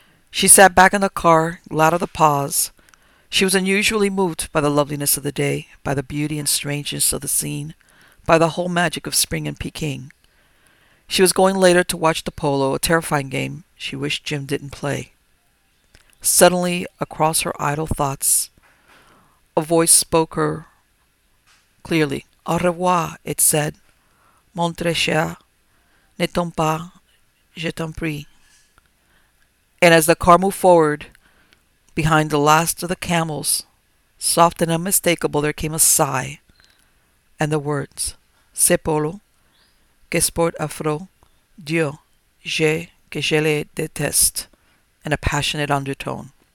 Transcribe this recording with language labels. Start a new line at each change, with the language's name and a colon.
English: She sat back in the car, glad of the pause. She was unusually moved by the loveliness of the day, by the beauty and strangeness of the scene, by the whole magic of spring in Peking. She was going later to watch the polo, a terrifying game she wished Jim didn't play. Suddenly, across her idle thoughts, a voice spoke her clearly. Au revoir, it said.
French: Mon très cher, ne tombe pas, je t'en prie.
English: And as the car moved forward, behind the last of the camels, soft and unmistakable, there came a sigh, and the words,
French: C'est polo. Que sport affreux, Dieu, je les déteste,
English: in a passionate undertone.